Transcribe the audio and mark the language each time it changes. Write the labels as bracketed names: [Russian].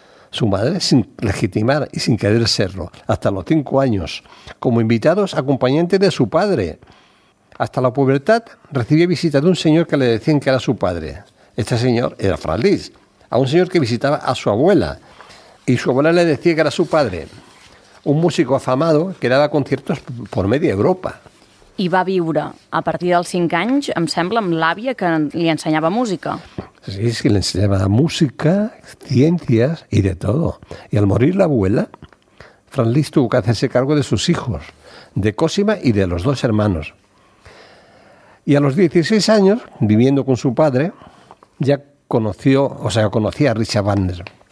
[Spanish] Su madre, sin legitimar y sin querer serlo, hasta los 5 años, como invitados acompañantes de su padre. Hasta la pubertad recibió visita de un señor que le decían que era su padre. Este señor era Franz Liszt, a un señor que visitaba a su abuela, y su abuela le decía que era su padre, un músico afamado que daba conciertos por media Europa. [Catalan] I va viure, a partir dels 5 anys, em sembla, amb l'àvia que li ensenyava música. [Spanish] Sí, sí, le enseñaba música, ciencias y de todo. Y al morir la abuela, Franz Liszt tuvo que hacerse cargo de sus hijos, de Cosima y de los dos hermanos. Y a los 16 años, viviendo con su padre, ya conocía a Richard Wagner.